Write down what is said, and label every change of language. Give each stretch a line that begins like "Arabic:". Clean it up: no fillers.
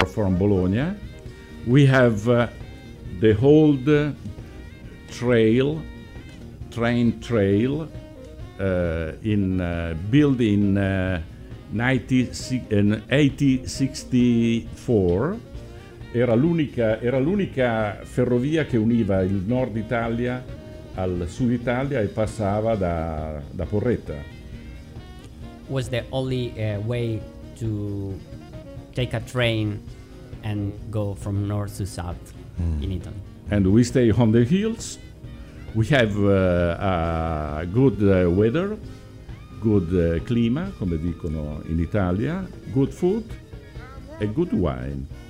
English: From Bologna, we have the old train trail, built in 1864.
Italian: Era l'unica ferrovia che univa il nord Italia al sud Italia e passava da Porretta.
English: Was the only way to take a train and go from north to south in Italy. And we stay on the hills. We have a good weather, good clima,
Italian: come dicono in Italia,
English: good food and good wine.